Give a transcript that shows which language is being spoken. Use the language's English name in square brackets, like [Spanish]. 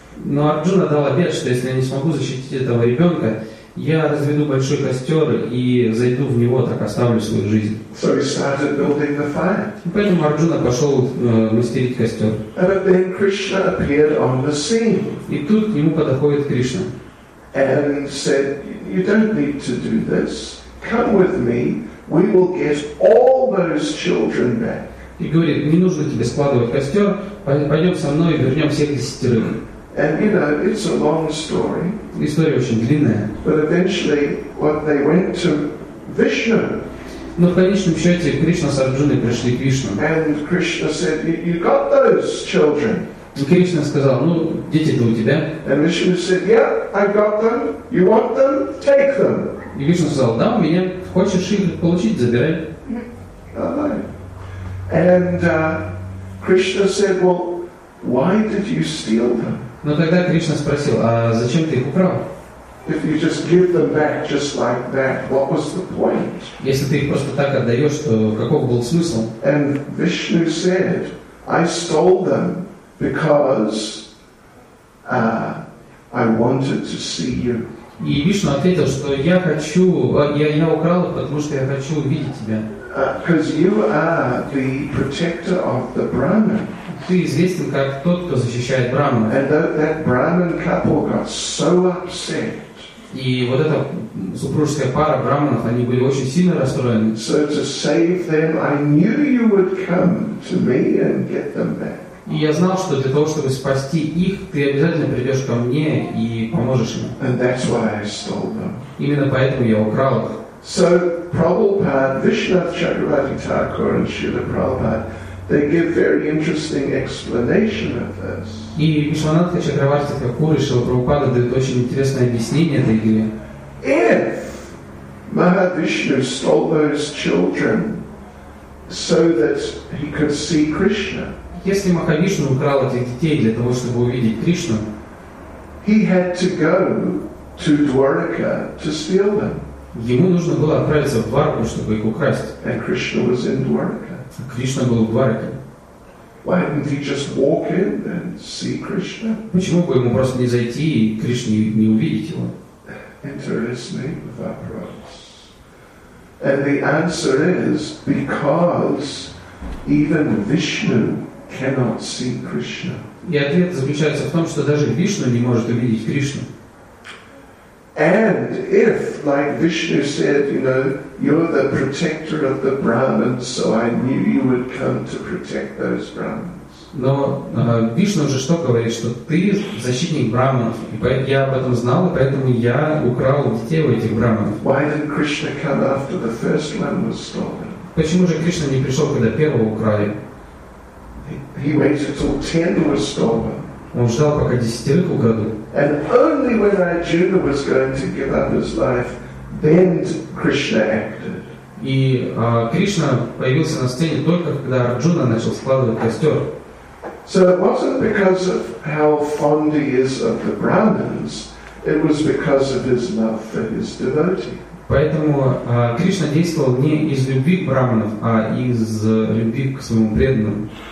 [Russian] Но Арджуна дал обет, что если я не смогу защитить этого ребенка, я разведу большой костер и зайду в него, так оставлю свою жизнь. [English] So he started building the fire. [Russian] Поэтому Арджуна пошел мастерить костер. [English] And then Krishna appeared on the scene. [Russian] И тут к нему подходит Кришна. [English] And said, you don't need to do this. Come with me. We will get all those children back. [Russian] И говорит, не нужно тебе складывать костер, пойдем со мной и вернем всех 10. [English] And you know, it's a long story. [Russian] История очень длинная. [English] But eventually, what they went to Vishnu. [Russian] Но в конечном счете Кришна с Арджуной пришли к Вишну. [English] And Krishna said, you got those children. [Russian] И Кришна сказал, ну, дети-то у тебя. [English] And Vishnu said, yeah, I got them. You want them? Take them. [Russian] И Вишна сказал, да, у меня. Хочешь их получить, забирай. [English] And Krishna said, "Well, why did you steal them?" [Russian] Но тогда Кришна спросил, а зачем ты их украл? [English] If you just give them back just like that, what was the point? [Russian] Если ты их просто так отдаешь, то каков был смысл? [English] And Vishnu said, "I stole them because I wanted to see you." [Russian] И Вишну ответил, что я хочу, я украл, потому что я хочу увидеть тебя. [English] Because you are the protector of the Brahman. [Russian] Ты известен как тот, кто защищает Брахмана. [English] And that Brahman couple got so upset. [Russian] И вот эта супружеская пара Брахманов, они были очень сильно расстроены. [English] So to save them, I knew you would come to me and get them back. [Russian] И я знал, что для того, чтобы спасти их, ты обязательно придешь ко мне и поможешь им. [English] And that's why I stole them. [Russian] Именно поэтому я украл их. [English] So Prabhupada, Vishnath Chakravarti Thakur and Srila Prabhupada, they give very interesting explanation of this. [Russian] И Вишванатха Чакраварти Такур и Шрила Прабхупада дают очень интересное объяснение этой идеи. [English] If Mahavishnu stole those children so that he could see Krishna, [Russian] если Махавишну украл этих детей для того, чтобы увидеть Кришну, [English] he had to go to Dwarka to steal them. [Russian] Ему нужно было отправиться в Дварку, чтобы их украсть. [English] And Krishna was in Dwarka. [Russian] А Кришна был в Дварке. [English] Why didn't he just walk in and see Krishna? [Russian] Почему бы ему просто не зайти и Кришне не увидеть его? Enter his name of Aparas. [English] And the answer is because even Vishnu cannot see Krishna. [Russian] И ответ заключается в том, что даже Вишну не может увидеть Кришну. [English] And if, like Vishnu said, you know, you're the protector of the Brahmins, so I knew you would come to protect those Brahmins. [Russian] Но Вишну же что говорит, что ты защитник Брахманов, и я об этом знал, и поэтому я украл детей у этих Брахманов. [English] Why did Krishna come after the first one was stolen? [Russian] Почему же Кришна не пришел, когда первого украли? [English] He waited till 10 were stolen. [Russian] Он ждал, пока 10 украдут. [English] And only when Arjuna was going to give up his life, then Krishna acted. [Russian] И Кришна появился на сцене только когда Арджуна начал складывать костер. [English] So it wasn't because of how fond he is of the Brahmins, it was because of his love for his devotee. [Russian] Поэтому Кришна действовал не из любви к Брахманам, а из любви к своему преданному.